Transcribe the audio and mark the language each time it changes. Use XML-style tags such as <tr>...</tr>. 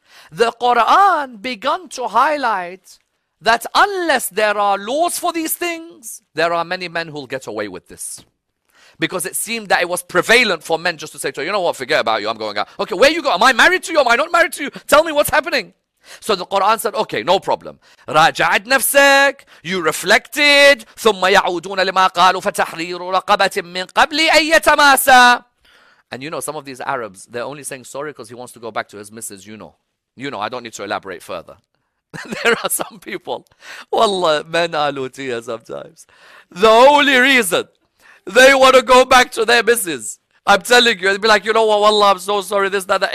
<en>The Quran began to highlight that unless there are laws for these things, there are many men who will get away with this. Because it seemed that it was prevalent for men just to say to her, you know what, forget about you, I'm going out. Okay, where you go? Am I married to you? Am I not married to you? Tell me what's happening. So the Quran said, okay, no problem.</en> <ar>راجعت نفسك,</ar> <en>you reflected,</en> <ar>ثم يعودون لما قالوا فتحرير رقبة من قبل أن يتماسا.</ar> <en>And you know, some of these Arabs, they're only saying sorry because he wants to go back to his missus, you know. You know, I don't need to elaborate further. There are some people, wallah, men are lutia sometimes. The only reason they want to go back to their missus, I'm telling you, they'd be like, you know what, wallah, I'm so sorry, this, that, that.</en>